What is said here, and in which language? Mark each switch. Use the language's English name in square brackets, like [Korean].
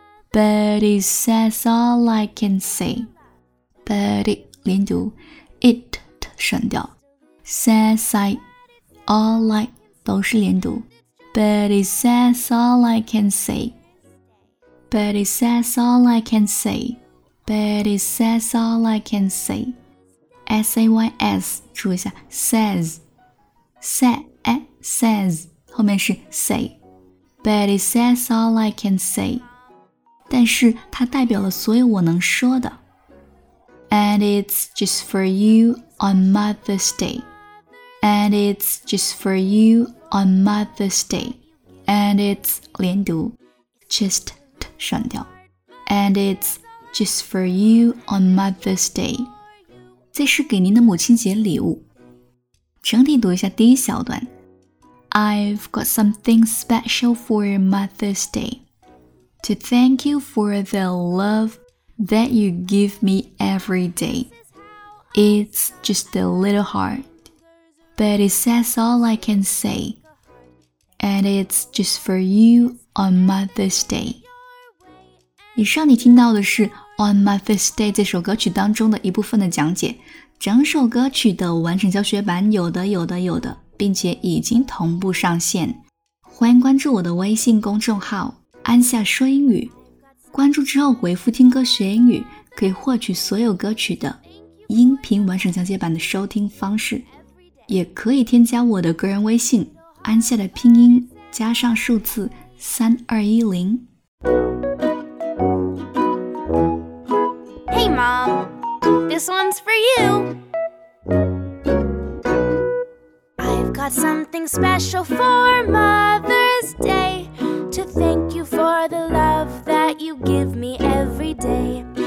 [English] But it says all I can say. But it [Chinese] 连读 [English] It [Chinese] 省掉 [English] Says I All I [Chinese] 都是连读 [English] But it says all I can say. But it says all I can say. But it says all I can say. S-A-Y-S, [Chinese] 注意一下 [English] says. Says, 后面是 say. But it says all I can say. [Chinese] 但是它代表了所有我能说的。 [English] And it's just for you on Mother's Day. And it's just for you on Mother's Day. And it's [Chinese] 连读 [English] just [Chinese] 省掉 [English] And it's just for you on Mother's Day. [Chinese] 这是给您的母亲节礼物。整体读一下第一小段 [English] I've got something special for Mother's Day. To thank you for the love that you give me every day. It's just a little heart. But it says all I can say. And it's just for you on Mother's Day. [Chinese] 以上你听到的是 On Mother's Day 这首歌曲当中的一部分的讲解。整首歌曲的完整教学版有的，并且已经同步上线。欢迎关注我的微信公众号安夏说英语。关注之后回复听歌学英语，可以获取所有歌曲的音频完整讲解版的收听方式，也可以添加我的个人微信，安夏的拼音加上数字3210。 [English] Hey mom, this one's for you. I've got something special for Mother's Day to thank you for the love that you give me every day.